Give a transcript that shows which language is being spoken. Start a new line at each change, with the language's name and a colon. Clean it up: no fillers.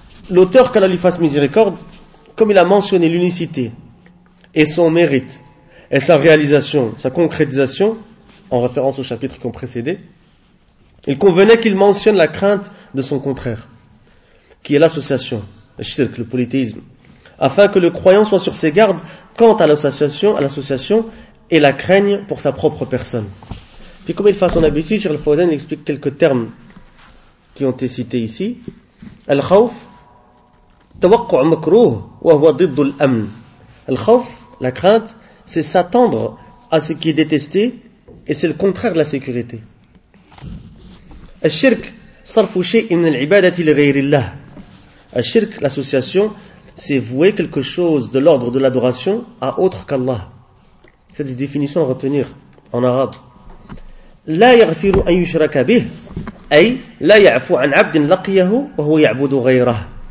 French: L'auteur, qu'Allah lui fasse miséricorde, comme il a mentionné l'unicité et son mérite et sa réalisation, sa concrétisation, en référence au chapitre qui ont précédé, il convenait qu'il mentionne la crainte de son contraire, qui est l'association, le shirk, le polythéisme, afin que le croyant soit sur ses gardes quant à l'association et la craigne pour sa propre personne. Puis comme il fait son habitude, Cheikh Al-Fawzan explique quelques termes qui ont été cités ici.
Arabic: Al-Khawf, توقع مكروه وهو ضد الأمن.
French: الخوف, la crainte, c'est s'attendre à ce qui est détesté et c'est le contraire de la sécurité.
Arabic: الشرك صرف شيء من العبادة لغير الله.
French: الشرك, l'association, c'est vouer quelque chose de l'ordre de l'adoration à autre qu'Allah. C'est une définition à retenir en arabe.
Arabic: لا يغفر أن يشرك به أي لا يعفو عن عبد لقيه وهو يعبد غيره.